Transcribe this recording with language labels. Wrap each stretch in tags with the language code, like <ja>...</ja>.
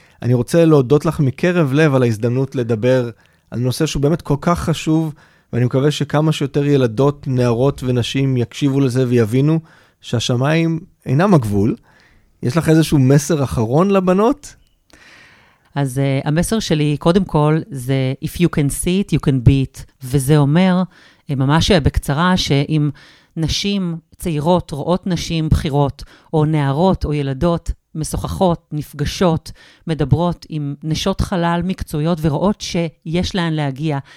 <he>אני רוצה להודות לך מקרב לב על ההזדמנות לדבר על נושא שהוא באמת כל כך חשוב, ואני מקווה שכמה שיותר ילדות, נערות ונשים יקשיבו לזה ויבינו שהשמיים אינם הגבול. יש לך איזשהו מסר אחרון לבנות? אז המסר שלי, קודם כל, זה</he> <en>If you can see it, you can be it.</en> <he>וזה אומר, ממש בקצרה, שאם נשים צעירות רואות נשים בחירות, או נערות או ילדות משוחחות, נפגשות, מדברות עם נשות חלל מקצועיות ורואות שיש להן להגיע.</he>